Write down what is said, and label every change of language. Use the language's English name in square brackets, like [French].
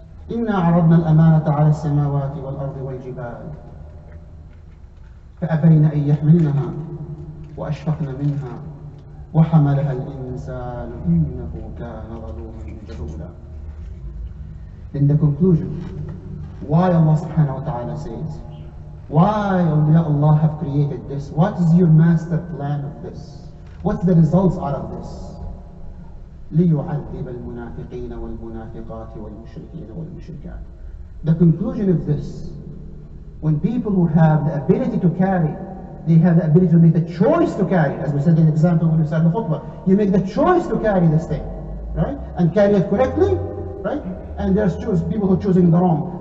[Arabic] إِنَّا عَرَضْنَا الْأَمَانَةَ عَلَى السَّمَاوَاتِ وَالْأَرْضِ وَالْجِبَالِ فَأَبَيْنَ أَنْ يَحْمِلْنَهَا وَأَشْفَقْنَ مِنْهَا وَحَمَلَهَا الْإِنسَانُ إِنَّهُ كَانَ ظَلُومًا جَهُولًا. [English] In the conclusion, why Allah subhanahu wa ta'ala says, why Allah have created this? What is your master plan of this? What's the results out of this? [Arabic] ليعذب المنافقين والمنافقات والمشركين والمشركات. [English] The conclusion of this, when people who have the ability to carry, they have the ability to make the choice to carry, as we said in the example when we said the khutbah, you make the choice to carry this thing, right? And carry it correctly, right? And there's people who are choosing the wrong.